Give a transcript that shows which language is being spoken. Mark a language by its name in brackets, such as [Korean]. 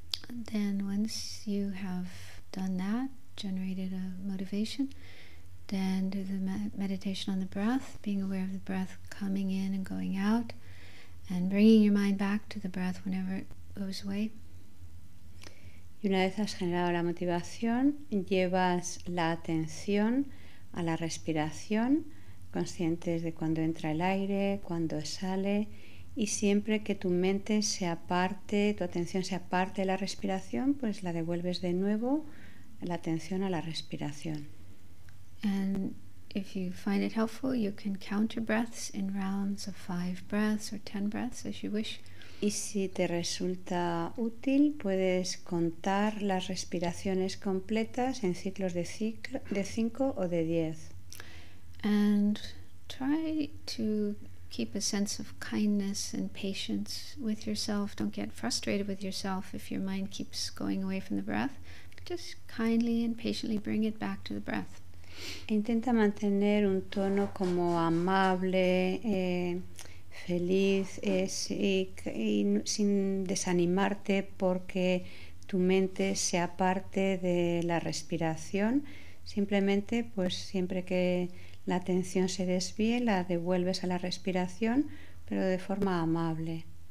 [English] Then once you have done that, generated a motivation, then do the meditation on the breath, being aware of the breath coming in and going out, and bringing your mind back to the breath whenever it goes away. [Spanish] Y una vez has generado la motivación, llevas la atención a la respiración, conscientes de cuando entra el aire, cuando sale. Y siempre que tu mente se aparte, tu atención se aparte de la respiración, pues la devuelves de nuevo, la atención a la respiración. [English] And if you find it helpful, you can count your breaths in rounds of 5 breaths or 10 breaths as you wish. [Spanish] Y si te resulta útil, puedes contar las respiraciones completas en ciclos de 5 o de 10. [English] And try to keep a sense of kindness and patience with yourself. Don't get frustrated with yourself if your mind keeps going away from the breath. Just kindly and patiently bring it back to the breath. [Spanish] Intenta mantener un tono como amable, feliz, y sin desanimarte porque tu mente se aparte de la respiración. Simplemente, pues siempre que la atención se desvíe, la devuelves a la respiración, pero de forma amable.